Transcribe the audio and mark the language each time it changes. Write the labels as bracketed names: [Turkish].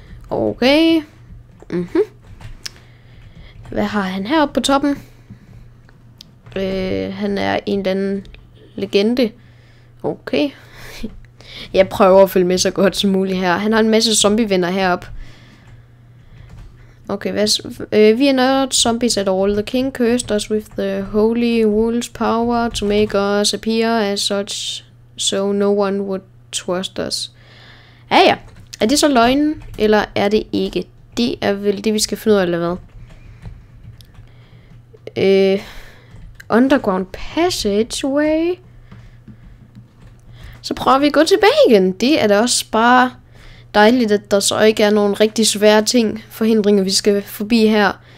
[Danish] Okay. Mhm. Hvad har han heroppe på toppen? Han er en eller anden legende. Okay. Jeg prøver at følge med så godt som muligt her. Han har en masse zombievenner heroppe. Okay, hvad vi er [English] not zombies at all. The king cursed us with the holy wool's power to make us appear as such, so no one would trust us. [Danish] Ja, ja. Er det så løgn, eller er det ikke? Det er vel det, vi skal finde ud af, eller hvad? [English] Underground passageway. [Danish] Så prøver vi at gå tilbage igen. Det er da også bare dejligt, at der så ikke er nogen rigtig svære ting, forhindringer, vi skal forbi her.